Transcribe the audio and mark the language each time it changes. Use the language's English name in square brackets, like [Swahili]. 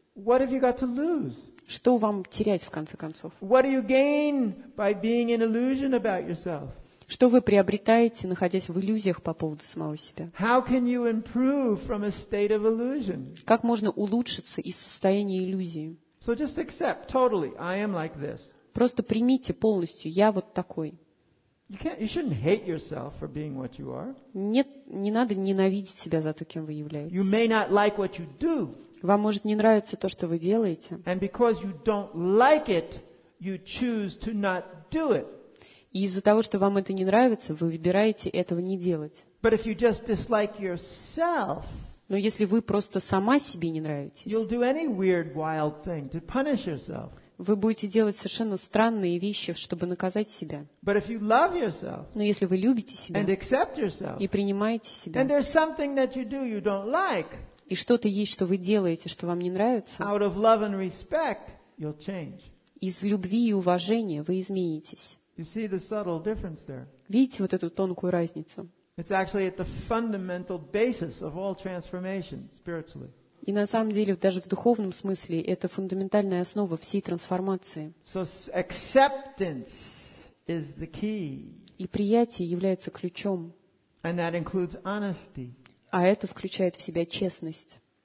[English] What have you got to lose? [Russian] Что вам терять, в конце концов? [English] What do you gain by being in illusion about yourself? [Russian] Что вы приобретаете, находясь в иллюзиях по поводу самого себя? [English] How can you improve from a state of illusion? [Russian] Как можно улучшиться из состояния иллюзии? [English] So just accept totally, I am like this. [Russian] Просто примите полностью, я вот такой. [English] You shouldn't hate yourself for being what you are. [Russian] Нет, не надо ненавидеть себя за то, кем вы являетесь. [English] You may not like what you do. [Russian] Вам может не нравиться то, что вы делаете. [English] And because you don't like it, you choose to not do it. [Russian] И из-за того, что вам это не нравится, вы выбираете этого не делать. [English] But if you just dislike yourself, [Russian] но если вы просто сама себе не нравитесь, [English] you'll do any weird, wild thing to punish yourself. [Russian] Вы будете делать совершенно странные вещи, чтобы наказать себя. [English] But if you love yourself, [Russian] но если вы любите себя [English] and accept yourself, [Russian] и принимаете себя, [English] and there's something that you do you don't like, [Russian] и что-то есть, что вы делаете, что вам не нравится, [English] out of love and respect, you'll change. [Russian] Из любви и уважения вы изменитесь. [English] You see the subtle difference there. [Russian] Видите вот эту тонкую разницу? [English] It's actually at the fundamental basis of all transformation spiritually. [Russian] И на самом деле, даже в духовном смысле, это фундаментальная основа всей трансформации. [English] So acceptance is the key. [Russian] И принятие является ключом. [English] And that includes honesty. [Russian] А это включает в себя честность.